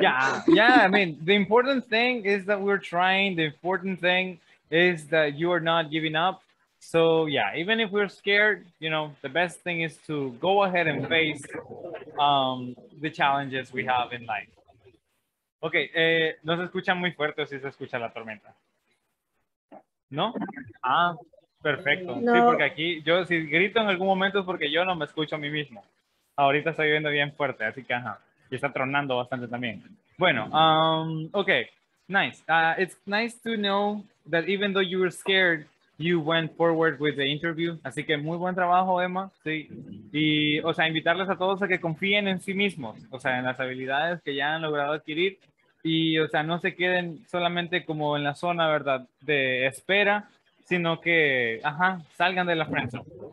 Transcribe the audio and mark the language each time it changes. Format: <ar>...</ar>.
<en>Yeah, yeah. I mean, the important thing is that we're trying. The important thing is that you are not giving up. So, yeah, even if we're scared, you know, the best thing is to go ahead and face the challenges we have in life.</en> <es>Okay, no se escucha muy fuerte o si se escucha la tormenta. ¿No? Ah, perfecto. No. Sí, porque aquí, yo si grito en algún momento es porque yo no me escucho a mí mismo. Ahorita está viviendo bien fuerte, así que ajá. Y está tronando bastante también. Bueno, okay, nice.</es> <en>It's nice to know that even though you were scared, you went forward with the interview.</en> <es>Así que muy buen trabajo, Emma. Sí. Y, o sea, invitarles a todos a que confíen en sí mismos. O sea, en las habilidades que ya han logrado adquirir. Y, o sea, no se queden solamente como en la zona, ¿verdad?, de espera, sino que, ajá, salgan de la friendzone.</es>